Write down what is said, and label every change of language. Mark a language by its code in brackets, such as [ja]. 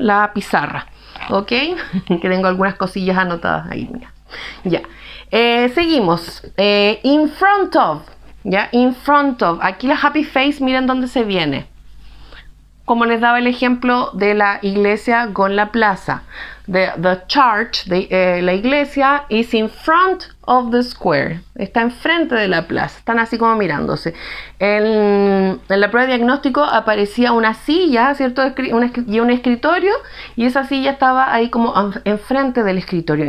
[es] La pizarra, ¿ok? Que tengo algunas cosillas anotadas ahí, mira. Ya. Seguimos. In front of, ¿ya? In front of. Aquí la happy face, miren dónde se viene. Como les daba el ejemplo de la iglesia con la plaza. [en] The church, [es] la iglesia, [en] is in front of the square. [es] Está enfrente de la plaza. Están así como mirándose. En la prueba de diagnóstico aparecía una silla, ¿cierto? Y un escritorio. Y esa silla estaba ahí como enfrente del escritorio.